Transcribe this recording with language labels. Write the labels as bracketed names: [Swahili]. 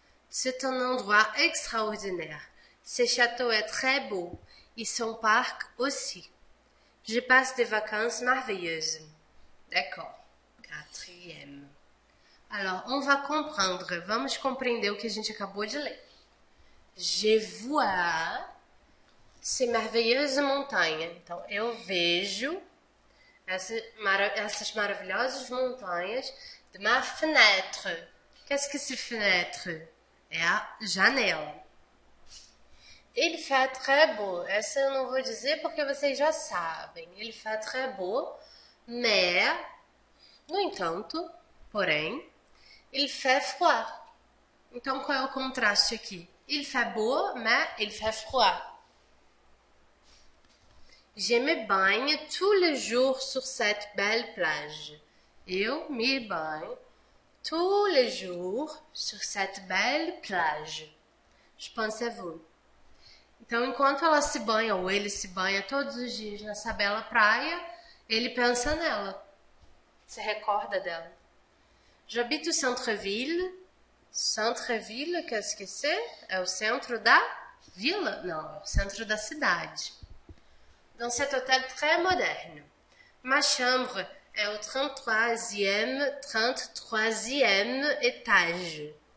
[French] C'est un endroit extraordinaire. Ce château est très beau et son parc aussi. Je passe des vacances merveilleuses. D'accord. Quatrième. Alors, on va comprendre. [Portuguese] Vamos compreender o que a gente acabou de ler. [French] Je vois ces merveilleuses montagnes. [Portuguese] Então, eu vejo essas maravilhosas montanhas [French] de ma fenêtre. Qu'est-ce que c'est fenêtre? [Portuguese] É a janela. [French] Il fait très beau. [Portuguese] Essa eu não vou dizer porque vocês já sabem. [French] Il fait très beau, mais. [Portuguese] No entanto, porém. [French] Il fait froid. [Portuguese] Então, qual é o contraste aqui? [French] Il fait beau, mais il fait froid. Je me baigne tous les jours sur cette belle plage. [Portuguese] Eu [French] me baigne tous les jours sur cette belle plage. Je pense à vous. [Portuguese] Então, enquanto ela se banha, ou ele se banha todos os dias nessa bela praia, ele pensa nela. Se recorda dela. [French] J'habite au centre-ville. Centre-ville, qu'est-ce que c'est? [Portuguese] É o centro da vila? Não, é o centro da cidade. [French] Dans cet hôtel très moderne. Ma chambre est au 33e étage.